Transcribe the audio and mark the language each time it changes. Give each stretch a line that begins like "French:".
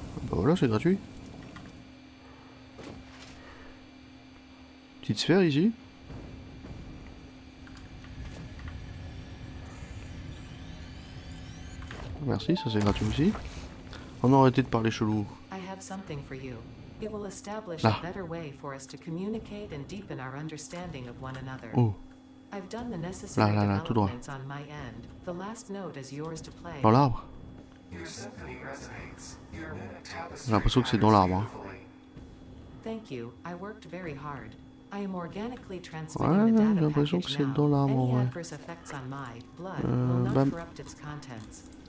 French: Bah voilà, c'est gratuit. Petite sphère ici. Merci, ça c'est gratuit aussi. On a arrêté de parler chelou.
English: I have something for you. It will establish a better way for us to communicate and deepen our understanding of one another. Oh. I've done the necessary developments on my end. The last note is yours to play.
French: Dans l'arbre. J'ai l'impression que c'est dans l'arbre.
English: Thank you. I worked very hard. I am organically transmitting the data.
French: J'ai l'impression que c'est dans l'arbre.
English: Any adverse effects on my blood will not corrupt its contents.